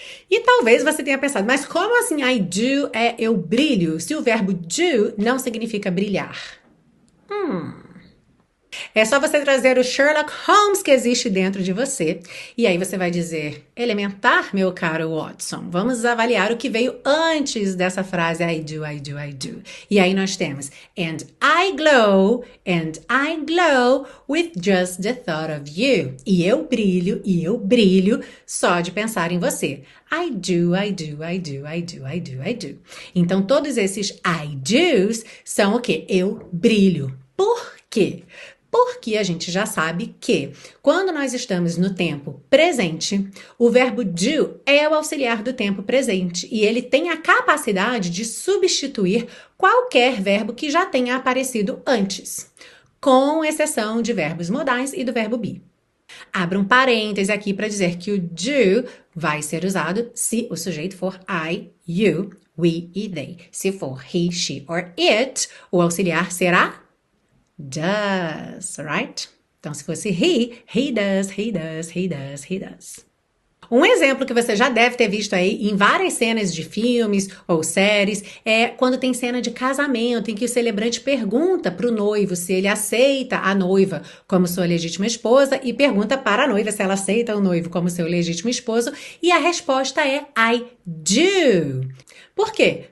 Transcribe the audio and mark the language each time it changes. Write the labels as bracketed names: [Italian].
[Portuguese] E talvez você tenha pensado, mas como assim I do é eu brilho, se o verbo do não significa brilhar? É só você trazer o Sherlock Holmes que existe dentro de você. E aí você vai dizer, elementar, meu caro Watson. Vamos avaliar o que veio antes dessa frase [English] I do, I do, I do. [Portuguese] E aí nós temos, [English] and I glow with just the thought of you. [Portuguese] E eu brilho só de pensar em você. [English] I do, I do, I do, I do, I do, I do. [Portuguese] Então todos esses I do's são o quê? Eu brilho. Por quê? Porque a gente já sabe que quando nós estamos no tempo presente, o verbo do é o auxiliar do tempo presente e ele tem a capacidade de substituir qualquer verbo que já tenha aparecido antes, com exceção de verbos modais e do verbo be. Abra um parêntese aqui para dizer que o do vai ser usado se o sujeito for I, you, we e they. Se for he, she or it, o auxiliar será does, right? Então, se fosse [English] he does, he does, he does, he does. [Portuguese] Um exemplo que você já deve ter visto aí em várias cenas de filmes ou séries é quando tem cena de casamento em que o celebrante pergunta para o noivo se ele aceita a noiva como sua legítima esposa e pergunta para a noiva se ela aceita o noivo como seu legítimo esposo e a resposta é I do. Por quê?